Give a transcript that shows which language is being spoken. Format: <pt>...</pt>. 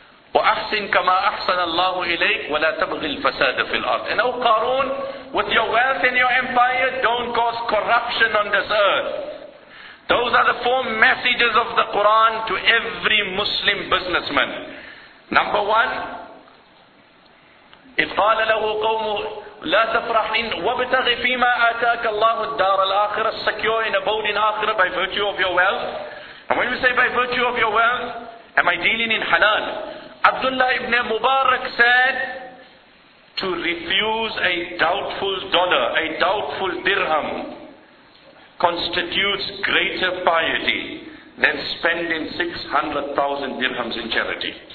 <ar>وَأَحْسِنْ كَمَا أَحْسَنَ اللَّهُ إِلَيْكَ وَلَا تَبْغِ الْفَسَادَ فِي الْأَرْضِ.</ar> <en>And O Qarun, with your wealth and your empire, don't cause corruption on this earth. Those are the four messages of the Quran to every Muslim businessman. Number one,</en> <ar>إِذْ قَالَ لَهُ قَوْمُ لَا تَفْرَحْنِ وَابْتَغِ فِي مَا آتَاكَ اللَّهُ الدَّارَ الْآخِرَةَ.</ar> <en>Secure and abode in Akhirah by virtue of your wealth. And when you say by virtue of your wealth, am I dealing in halal? Abdullah ibn Mubarak said, to refuse a doubtful dollar, a doubtful dirham, constitutes greater piety than spending 600,000 dirhams in charity.</en>